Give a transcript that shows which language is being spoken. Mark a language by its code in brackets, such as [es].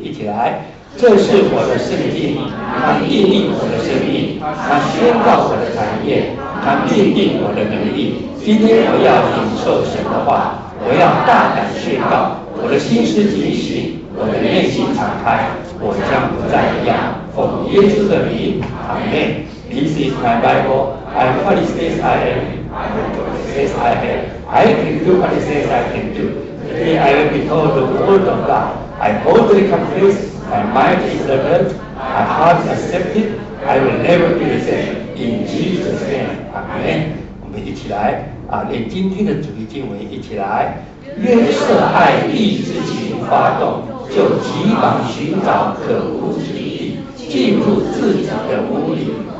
[zh] 一起来，这是我的圣经，它定义我的生命，它宣告我的产业，它定义我的能力。今天我要领受神的话，我要大胆宣告，我的心思警醒，我的内心敞开，我将不再一样。奉耶稣的名，阿门。 [en] This is my Bible. I am what it says I am. I am what it says I am. I can do what it says I can do. Today I will be told the word of God. I boldly confess, my mind is alert, my heart is accepted, I will never be the same. In Jesus' name, Amen. [zh] 我们一起来啊，念今天的主题经文，一起来。约瑟爱义之情发动，就急忙寻找可无之地，进入自己的屋里。